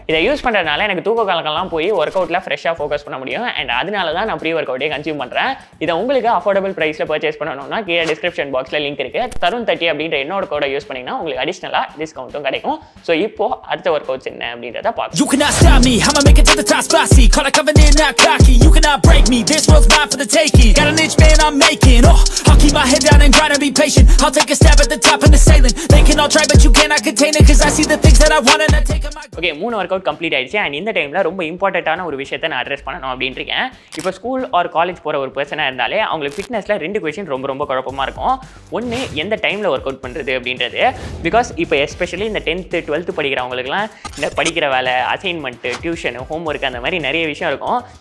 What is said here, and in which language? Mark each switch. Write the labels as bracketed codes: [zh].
[ta] இதை யூஸ் பண்ணுறதுனால எனக்கு தூக்க காலங்கள்லாம் போய் ஒர்க் அவுட்டில் ஃப்ரெஷ்ஷாக ஃபோக்கஸ் பண்ண முடியும். அண்ட் அதனால தான் நான் ப்ரீ ஒர்க் அவுட்டே கன்சியூம் பண்ணுறேன். இதை உங்களுக்கு அஃபோர்டபுள் ப்ரைஸில் பர்ச்சேஸ் பண்ணணும்னா கீழே டிஸ்கிரிப்ஷன் பாக்ஸில் லிங்க் இருக்குது. தருண் 30 அப்படின்ற என்னோட கோடை யூஸ் பண்ணிங்கன்னா உங்களுக்கு அடிஷனலாக டிஸ்கவுண்ட்டும் கிடைக்கும். ஸோ இப்போ அடுத்த ஒர்க் அவுட்ஸ் என்ன அப்படின்றத பார்க்கலாம். [en] You cannot stop me, I'ma make it to the top spicy. Caught a covenant, not cocky. You cannot break me, this world's mine for the taking. Got an itch, man, I'm making. I'll keep my head down and grind and be patient. I'll take a stab at the top and the sailing. They can all try, but you cannot contain it. Cause I see the things that I want and I take them out. Okay, moon workout complete ஆயிடுச்சு. And in the time, [ta] ரொம்ப important ஆன ஒரு விஷயத்த நான் address பண்ணணும் அப்படின்னு இருக்கேன். இப்போ ஸ்கூல் ஆர் காலேஜ் போற ஒரு பர்சனா இருந்தாலே அவங்களுக்கு ஃபிட்னஸ்ல ரெண்டு குவெஸ்டின் ரொம்ப குழப்பமா இருக்கும். ஒன்னு, எந்த டைம்ல ஒர்க் அவுட் பண்றது அப்படின்றது. பிகாஸ் இப்போ எஸ்பெஷலி இந்த 10th 12th படிக்கிறவங்களுக்குலாம் இந்த படிக்கிற வேலை, அசைன்மெண்ட், டியூஷனு, ஹோம் ஒர்க் அந்த மாதிரி நிறைய விஷயம் இருக்கும்.